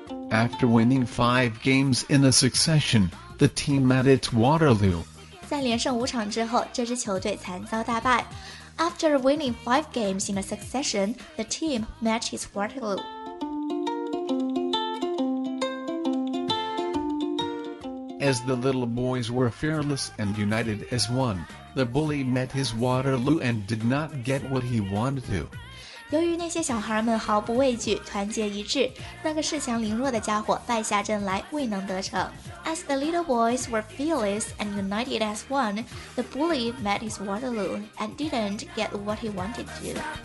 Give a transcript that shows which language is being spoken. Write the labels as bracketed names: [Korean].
[English] After winning 5 games in a succession, the team met its Waterloo. [Chinese] 在连胜五场之后，这支球队惨遭大败。 [English] After winning 5 games in a succession, the team met its Waterloo. As the little boys were fearless and united as one, the bully met his Waterloo and did not get what he wanted to. [Chinese] 由于那些小孩们毫不畏惧，团结一致，那个恃强凌弱的家伙败下阵来，未能得逞。 [English] As the little boys were fearless and united as one, the bully met his Waterloo and didn't get what he wanted to.